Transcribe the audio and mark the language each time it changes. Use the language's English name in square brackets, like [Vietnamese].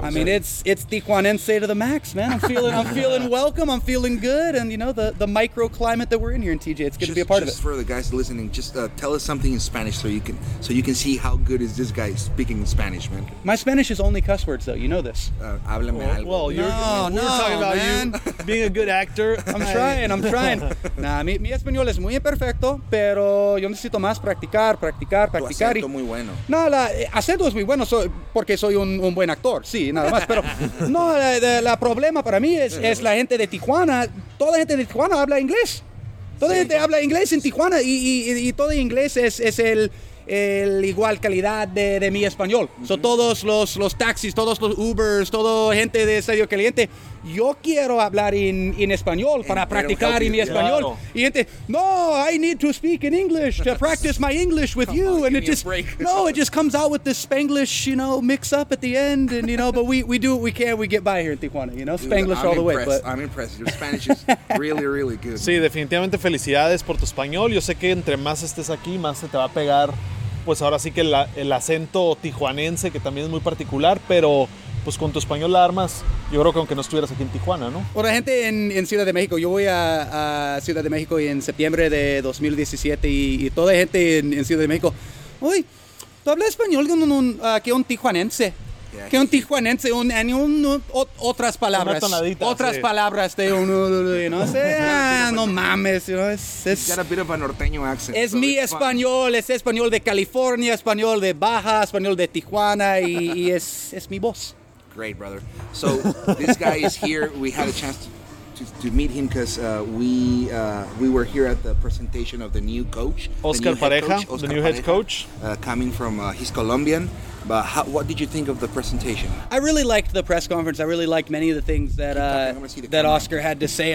[English] I mean, it's Tijuanense to the max, man. I'm feeling welcome, I'm feeling good, and you know, the microclimate that we're in here in TJ, it's good to be a part of it. Just for the guys listening, just tell us something in Spanish so you can see how good is this guy speaking in Spanish, man. My Spanish is only cuss words, though, you know this. [Spanish] Háblame algo. [English] Well, you're talking about being a good actor. I'm trying. [Spanish] Nah, mi español es muy perfecto, pero yo necesito más practicar. Tu acento muy bueno. No, la acento es muy bueno, porque soy un buen actor, sí, nada más. Pero no, la problema para mí es la gente de Tijuana. Toda la gente de Tijuana habla inglés. Toda la gente habla inglés en Tijuana y todo inglés es el igual calidad de mi español. Uh-huh. So todos los taxis, todos los Ubers, toda gente de Estadio Caliente, yo quiero hablar en español para practicar en mi español. Claro. Y gente, no, [English] I need to speak in English to practice my English with you. and it just, break. No, it just comes out with this Spanglish, you know, mix up at the end. And, you know, but we do what we can. We get by here in Tijuana, you know, Spanglish. Dude, The way. But I'm impressed. Your Spanish is really, really good. [Spanish] Sí, definitivamente felicidades por tu español. Yo sé que entre más estés aquí, más se te va a pegar, pues ahora sí que el acento tijuanense, que también es muy particular, pero pues con tu español la armas, yo creo que aunque no estuvieras aquí en Tijuana, ¿no? Por la gente en Ciudad de México, yo voy a Ciudad de México en septiembre de 2017 y toda la gente en Ciudad de México, uy, ¿tú hablas español que un tijuanense? Que un tijuanense, otras palabras. Una tonadita, otras palabras de uno, no sé, no mames, [English] you know, [Spanish] es [English] got a bit of a norteño accent. [Spanish] Es mi español, es español de California, español de Baja, español de Tijuana, y es mi voz. [English] Great, brother. So, this guy is here. We had a chance to meet him because we were here at the presentation of the new coach. Oscar Pareja, the new head coach. Coming from, he's Colombian. But what did you think of the presentation? I really liked the press conference. I really liked many of the things that Oscar had to say.